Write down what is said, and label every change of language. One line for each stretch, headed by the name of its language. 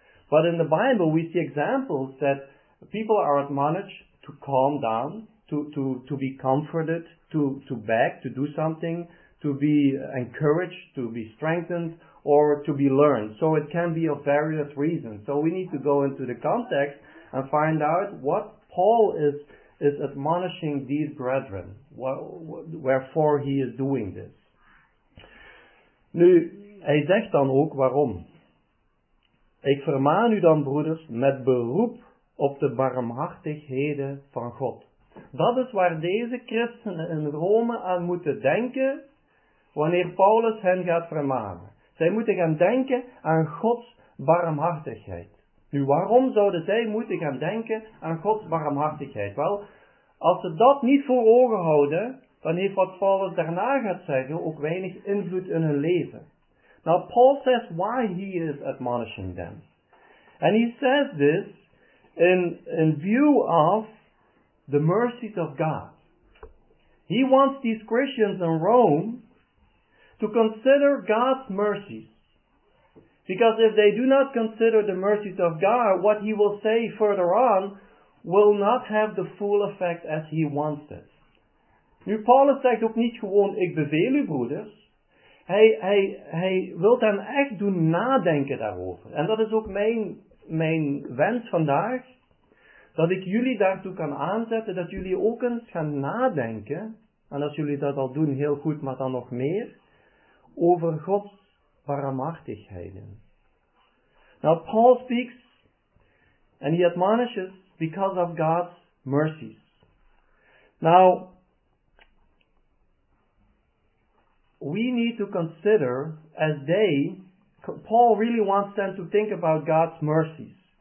English: But in the Bible, we see examples that people are admonished to calm down, to be comforted, to beg, to do something, to be encouraged, to be strengthened, or to be learned. So it can be of various reasons. So we need to go into the context and find out what Paul is admonishing these brethren, wherefore he is doing this.
Dutch: Nu, hij zegt dan ook waarom. Ik vermaan u dan, broeders, met beroep op de barmhartigheden van God. Dat is waar deze christenen in Rome aan moeten denken, wanneer Paulus hen gaat vermanen. Zij moeten gaan denken aan Gods barmhartigheid. Nu, waarom zouden zij moeten gaan denken aan Gods barmhartigheid? Wel, als ze dat niet voor ogen houden, dan heeft wat Paulus daarna gaat zeggen ook weinig invloed in hun leven.
English: Now, Paul says why he is admonishing them. And he says this in view of the mercies of God. He wants these Christians in Rome to consider God's mercies. Because if they do not consider the mercies of God, what he will say further on will not have the full effect as he wants it.
Dutch: Nu, Paulus zegt ook niet gewoon, ik beveel u broeders. Hij wil hen echt doen nadenken daarover. En dat is ook mijn wens vandaag. Dat ik jullie daartoe kan aanzetten, dat jullie ook eens gaan nadenken. En als jullie dat al doen, heel goed, maar dan nog meer. Over Gods barmhartigheden.
English: Now, Paul speaks and he admonishes because of God's mercies. Now, we need to consider as they, Paul really wants them to think about God's mercies.